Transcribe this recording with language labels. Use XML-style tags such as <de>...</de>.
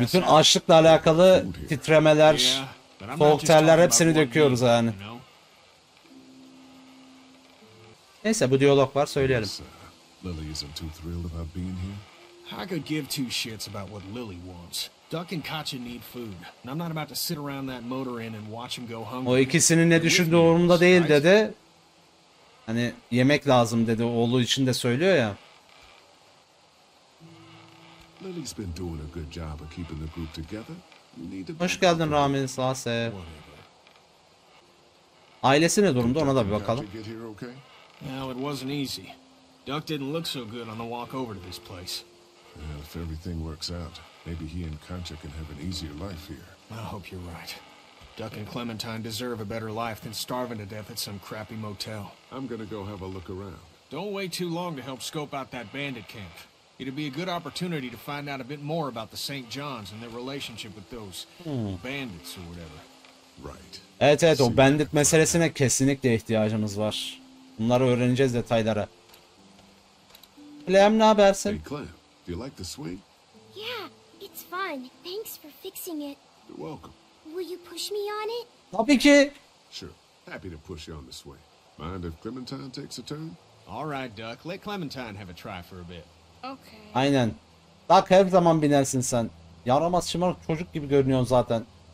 <tr>Bütün açlıkla alakalı titremeler, soğuk terler hepsini döküyoruz yani. Neyse bu diyalog var, söyleyelim.</tr> <en>Lily isn't too thrilled about being here. I could give two shits about what Lily wants. Duck and Katya need food. And I'm not about to sit around that motor inn and watch him go hungry.</en> <tr>O ikisinin ne düşündüğü umurumda değil dedi. Hani yemek lazım dedi, oğlu için de söylüyor ya.</tr> <en>Lily's been doing a good job of keeping the group together.</en> <tr>Hoş geldin Ramin, sağ ol. Ailesi ne durumda, ona da bir bakalım.</tr> <en>Well, it wasn't easy. Duck didn't look so good on the walk over to this place. Well, if everything works out, maybe he and Katya can have an easier life here. I hope you're right. Duck and Clementine deserve a better life than starving to death at some crappy motel. I'm gonna go have a look around. Don't wait too long to help scope out that bandit camp. It'd be a good opportunity to find out a bit more about the St. John's and their relationship with those bandits or whatever. Right.</en> <tr>Evet, evet, o bandit meselesine kesinlikle ihtiyacımız var. Bunları öğreneceğiz detaylara. Clem, ne habersin?</tr> <en>Hey Clem, do you like the swing? Yeah, it's fun. Thanks for fixing it. You're welcome. Will you push me on it?</en> <tr>Tabii ki.</tr> <en>Sure. Happy to push you on the swing. Mind if Clementine takes a turn? All right, Duck. Let Clementine have a try for a bit. Okay.</en> <tr>Aynen. Duck, her zaman binersin sen. Yaramaz şımarık çocuk gibi görünüyorsun zaten.</tr>